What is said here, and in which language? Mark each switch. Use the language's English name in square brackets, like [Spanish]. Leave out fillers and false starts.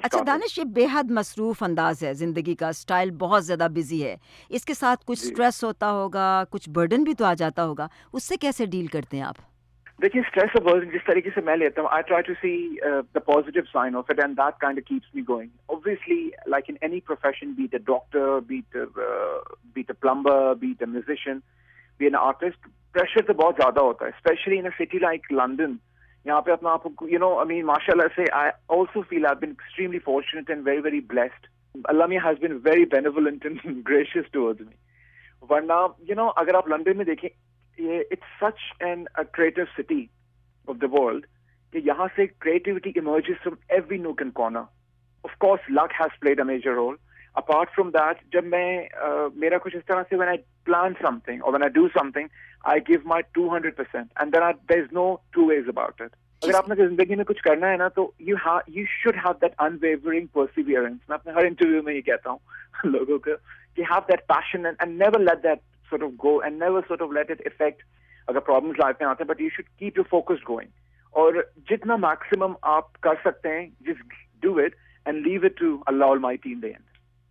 [Urdu] اچھا دانش, یہ بے حد مصروف انداز ہے زندگی کا, اسٹائل بہت زیادہ بزی ہے, اس کے ساتھ کچھ اسٹریس ہوتا ہوگا, کچھ برڈن بھی تو آ جاتا ہوگا, اس سے کیسے ڈیل کرتے ہیں آپ؟ دیکھیے اسٹریس اور برڈن جس طریقے سے میں لیتا ہوں, [English] I try to see the positive sign of it and that kind of keeps me going. Obviously like in any profession, be it a doctor, be it a plumber, be it a musician, be an artist, [Urdu] pressure تو بہت زیادہ ہوتا ہے, [English] Especially in a city like London. [Urdu] یہاں پہ اپنا آپ [English] You know I mean ماشاء اللہ سے I also feel I been extremely fortunate and very very blessed, اللہ me has been very benevolent and gracious towards me. ورنہ you know [Urdu] اگر آپ لندن میں دیکھیں, [English] it's such an creative city of the world [Urdu] کہ یہاں سے [English] Creativity emerges from every nook and corner. Of course luck has played a major role. Apart from that, [Urdu] جب میں میرا کچھ اس طرح سے [English] When I plan something اور when I do something I give my 200% and then there is no two ways about it. [Urdu] اگر آپ نے زندگی میں کچھ کرنا ہے نا تو [English] You should have that unwavering perseverance. [Urdu] میں اپنے ہر انٹرویو میں یہ کہتا ہوں لوگوں کو کہ [English] have that passion and never let that sort of go and never sort of let it affect [Urdu] agar problems life mein aate hain, [English] but you should keep your focus going [Urdu] aur jitna maximum aap kar sakte hain [English] just do it and leave it to Allah almighty in the end.